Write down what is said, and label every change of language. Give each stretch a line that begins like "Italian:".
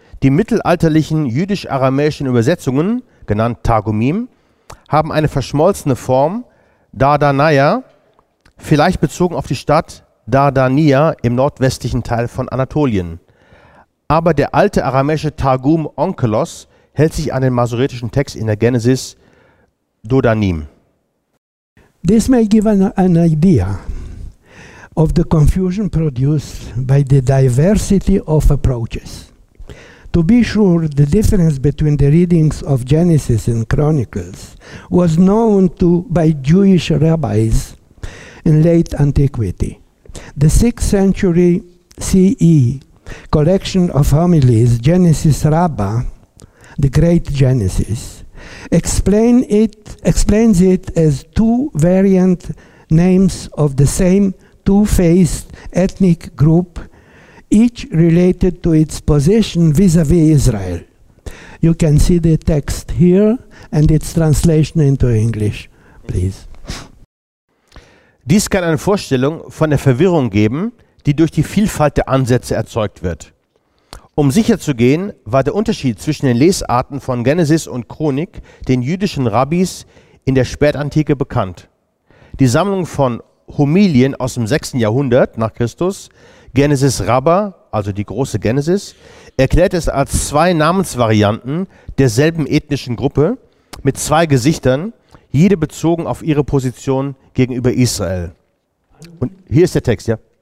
German: Die mittelalterlichen jüdisch-aramäischen Übersetzungen, genannt Targumim, haben eine verschmolzene Form, Dardanaya, vielleicht bezogen auf die Stadt Dardania im nordwestlichen Teil von Anatolien. Aber der alte aramäische Targum Onkelos hält sich an den masoretischen Text in der Genesis, Dodanim.
English: This may give an idea of the confusion produced by the diversity of approaches. To be sure, the difference between the readings of Genesis and Chronicles was known by Jewish rabbis in late antiquity. The 6th century CE collection of homilies, Genesis Rabbah, the Great Genesis, explains it as two variant names of the same two-faced ethnic group, each related to its position vis-à-vis Israel. You can see the text here and its translation into English, please.
German: Dies kann eine Vorstellung von der Verwirrung geben, die durch die Vielfalt der Ansätze erzeugt wird. Um sicherzugehen, war der Unterschied zwischen den Lesarten von Genesis und Chronik den jüdischen Rabbis in der Spätantike bekannt. Die Sammlung von Homilien aus dem 6. Jahrhundert nach Christus, Genesis Rabba, also die große Genesis, erklärt es als zwei Namensvarianten derselben ethnischen Gruppe mit zwei Gesichtern, jede bezogen auf ihre Position gegenüber Israel. Und hier ist der Text, ja.